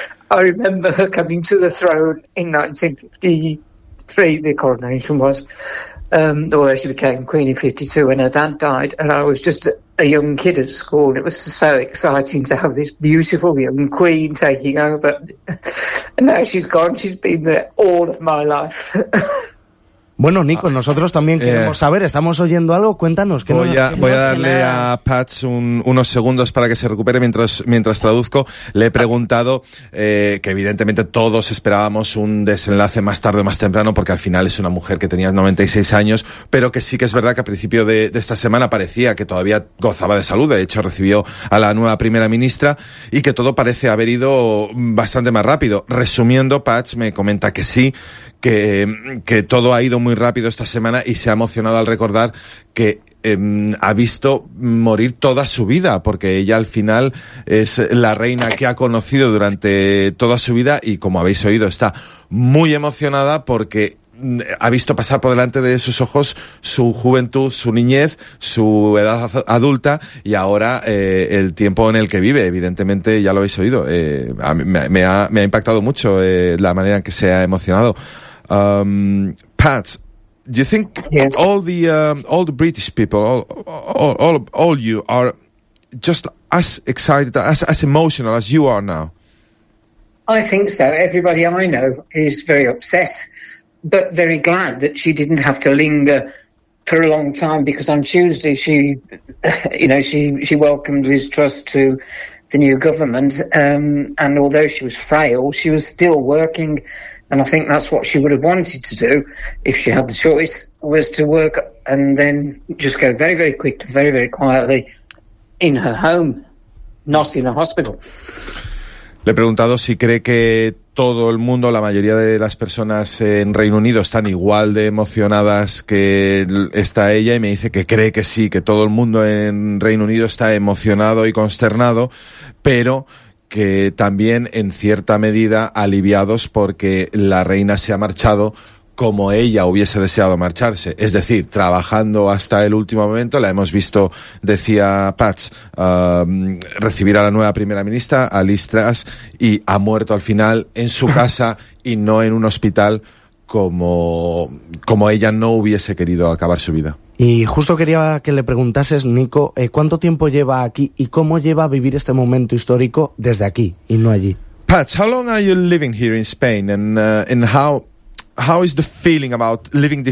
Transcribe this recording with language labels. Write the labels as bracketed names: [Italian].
[English] I remember her coming to the throne in 1953, the coronation was, although she became queen in 52 when her dad died, and I was just a young kid at school, and it was so exciting to have this beautiful young queen taking over. And now she's gone, she's been there all of my life. [Spanish] Bueno, Nico, nosotros también queremos saber, estamos oyendo algo, cuéntanos. ¿Qué voy a darle a Patch unos segundos para que se recupere mientras traduzco. Le he preguntado que evidentemente todos esperábamos un desenlace más tarde o más temprano, porque al final es una mujer que tenía 96 años, pero que sí que es verdad que a principio de esta semana parecía que todavía gozaba de salud. De hecho, recibió a la nueva primera ministra y que todo parece haber ido bastante más rápido. Resumiendo, Patch me comenta que sí, que todo ha ido muy rápido esta semana y se ha emocionado al recordar que ha visto morir toda su vida, porque ella al final es la reina que ha conocido durante toda su vida y, como habéis oído, está muy emocionada porque ha visto pasar por delante de sus ojos su juventud, su niñez, su edad adulta y ahora el tiempo en el que vive. Evidentemente, ya lo habéis oído, a mí me ha impactado mucho la manera en que se ha emocionado. [English] Pat, do you think all the British people, all you are just as excited, as emotional as you are now? I think so. Everybody I know is very upset, but very glad that she didn't have to linger for a long time, because on Tuesday she welcomed Liz Truss to the new government, and although she was frail, she was still working. And I think that's what she would have wanted to do if she had the choice, was to work and then just go very, very quick, very, very quietly in her home, not in a hospital. [Spanish] Le he preguntado si cree que todo el mundo, la mayoría de las personas en Reino Unido, están igual de emocionadas que está ella, y me dice que cree que sí, que todo el mundo en Reino Unido está emocionado y consternado, pero que también en cierta medida aliviados porque la reina se ha marchado como ella hubiese deseado marcharse, es decir, trabajando hasta el último momento. La hemos visto, decía Patch, recibir a la nueva primera ministra, a Liz Truss, y ha muerto al final en su casa y no en un hospital, como ella no hubiese querido acabar su vida. Y justo quería que le preguntases, Nico, ¿cuánto tiempo lleva aquí y cómo lleva a vivir este momento histórico desde aquí y no allí? [English] Patch, how long are you living here in Spain, and how is the feeling about living this?